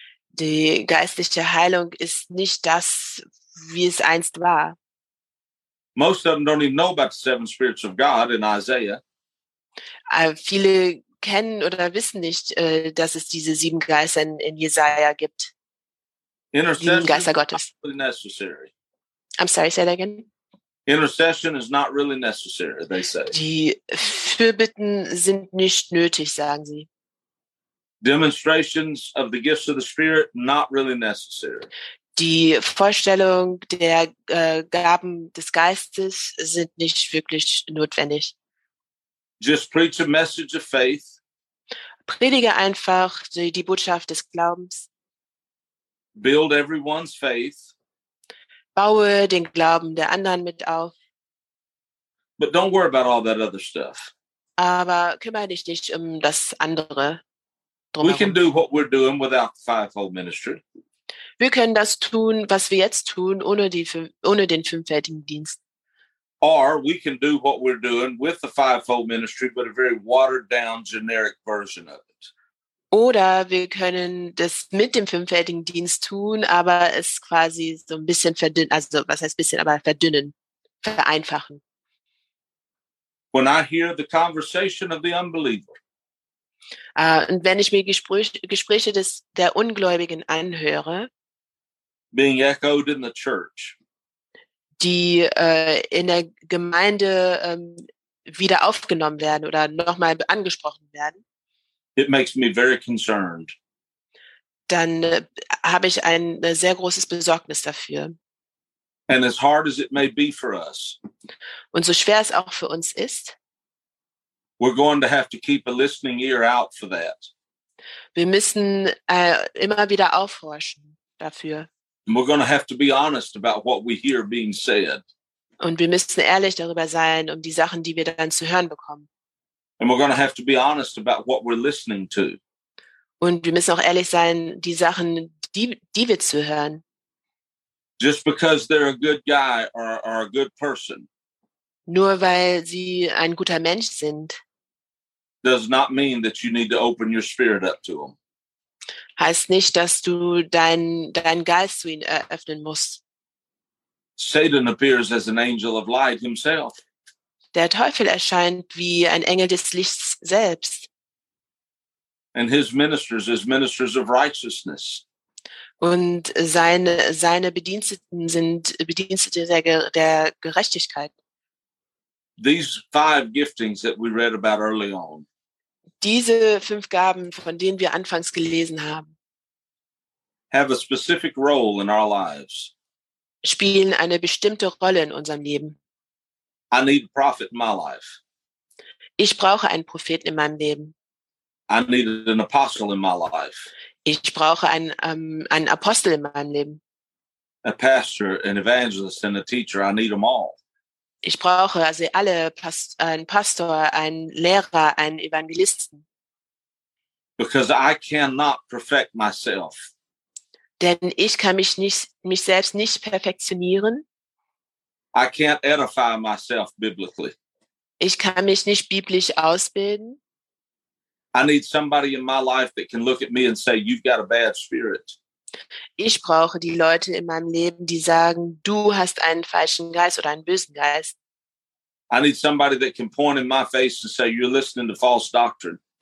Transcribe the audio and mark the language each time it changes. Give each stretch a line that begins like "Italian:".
German: Die geistliche Heilung ist nicht das, wie es einst war.
English: Most of them don't even know about the seven spirits of God in Isaiah.
German: Viele kennen oder wissen nicht, dass es diese sieben Geister in Jesaja gibt.
English: Intercession is not really necessary. I'm sorry, say that again. Intercession is not really necessary, they say.
German: Die Fürbitten sind nicht nötig, sagen sie.
English: Demonstrations of the gifts of the Spirit, not really necessary.
German: Die Vorstellung der Gaben des Geistes sind nicht wirklich notwendig.
English: Just preach a message of faith.
German: Predige einfach die Botschaft des Glaubens.
English: Build everyone's faith.
German: Baue den Glauben der anderen mit auf.
English: But don't worry about all that other stuff.
German: Aber kümmere dich nicht das andere. Drumherum.
English: We can do what we're doing without the fivefold ministry.
German: Wir können das tun, was wir jetzt tun, ohne den fünffältigen Dienst.
English: Or we can do what we're doing with the fivefold ministry, but a very watered down, generic version of it.
German: Oder wir können das mit dem fünffältigen Dienst tun, aber es quasi so ein bisschen verdünnen, also was heißt bisschen, aber verdünnen, vereinfachen.
English: When I hear the conversation of the unbeliever.
German: Und wenn ich mir Gespräche der Ungläubigen anhöre,
English: being echoed in the church,
German: die in der Gemeinde wieder aufgenommen werden oder nochmal angesprochen werden,
English: it makes me very concerned.
German: Dann habe ich ein sehr großes Besorgnis dafür.
English: And as hard as it may be for us.
German: Und so schwer es auch für uns ist.
English: We're going to have to keep a listening ear out for that.
German: Wir müssen immer wieder aufhorchen dafür.
English: And we're going to have to be honest about what we hear being said.
German: Und wir müssen ehrlich darüber sein, die Sachen, die wir dann zu hören bekommen.
English: And we're going to have to be honest about what we're listening to.
German: Und wir müssen auch ehrlich sein, die Sachen, die wir zu hören.
English: Just because they're a good guy or a good person.
German: Nur weil sie ein guter Mensch sind.
English: Does not mean that you need to open your spirit up to them.
German: Heißt nicht, dass du deinen Geist zu ihnen eröffnen musst.
English: Satan appears as an angel of light himself.
German: Der Teufel erscheint wie ein Engel des Lichts selbst.
English: And his ministers as ministers of righteousness.
German: Und seine Bediensteten sind Bedienstete der Gerechtigkeit.
English: These five giftings that we read about early on.
German: Diese fünf Gaben, von denen wir anfangs gelesen haben,
English: have a specific role in our lives.
German: Spielen eine bestimmte Rolle in unserem Leben.
English: I need a prophet in my life.
German: Ich brauche einen Propheten in meinem Leben.
English: I need an apostle in my life.
German: Ich brauche einen Apostel in meinem Leben.
English: A pastor, an evangelist, and a teacher. I need them all.
German: Ich brauche also alle, einen Pastor, einen Lehrer, einen Evangelisten.
English: Because I cannot perfect myself.
German: Denn ich kann mich selbst nicht perfektionieren.
English: I can't edify myself biblically.
German: Ich kann mich nicht biblisch ausbilden.
English: I need somebody in my life that can look at me and say, you've got a bad spirit.
German: Ich brauche die Leute in meinem Leben, die sagen, du hast einen falschen Geist oder einen bösen Geist.
English: I need somebody that can point in my face and say, you're listening to false doctrine.